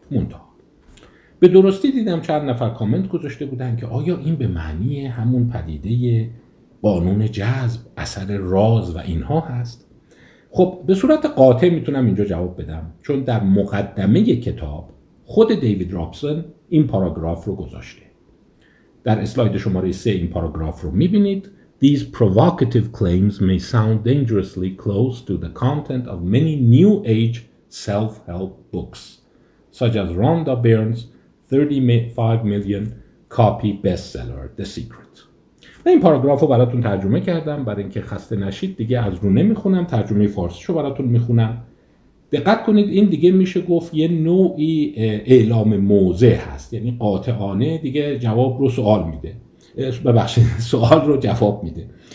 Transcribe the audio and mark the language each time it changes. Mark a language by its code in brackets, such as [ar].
[fa] منتها به درستی دیدم چند نفر کامنت گذاشته بودن که آیا این به معنی همون پدیده قانون جذب، اثر راز و اینها هست؟ خب به صورت قاطع میتونم اینجا جواب بدم، چون در مقدمه کتاب خود دیوید رابسون این پاراگراف رو گذاشته. در اسلاید شماره 3 این پاراگراف رو می‌بینید. [en] These provocative claims may sound dangerously close to the content of many new age self-help books such as Rhonda Byrne's 35 million copy bestseller The Secret. [fa] من این پاراگراف رو براتون ترجمه کردم برای اینکه خسته نشید، دیگه از رو نمی‌خونم، ترجمه فارسیشو براتون می‌خونم. دقت کنید این دیگه میشه گفت یه نوعی اعلام موضع هست، یعنی قاطعانه دیگه جواب رو سوال میده، ببخشید سوال رو جواب میده.